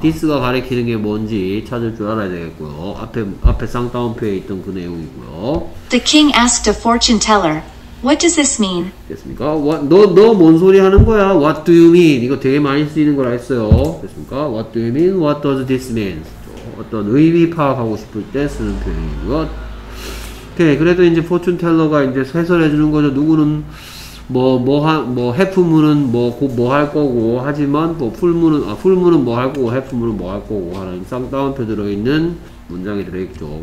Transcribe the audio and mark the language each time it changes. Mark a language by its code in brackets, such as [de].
[ko] This가 가리키는 게 뭔지 찾을 줄 알아야 되겠고요. 앞에 쌍따옴표에 있던 그 내용이고요. [en] The king asked a fortune teller, What does this mean? [ko] 됐습니까? 너 뭔 소리 하는 거야? [en] What do you mean? [ko] 이거 되게 많이 쓰이는 걸 알았어요. 됐습니까? [en] What do you mean? What does this mean? [ko] 어떤 의미 파악하고 싶을 때 쓰는 표현이고요. 오케이. 그래도 이제 fortune teller가 이제 해설해 주는 거죠. 누구는 뭐 해프문은 뭐 할 거고 하지만 뭐 풀문은 뭐 할 거고 해프문은 뭐 할 거고 하는 쌍따옴표 들어 있는 문장이 들어 있죠.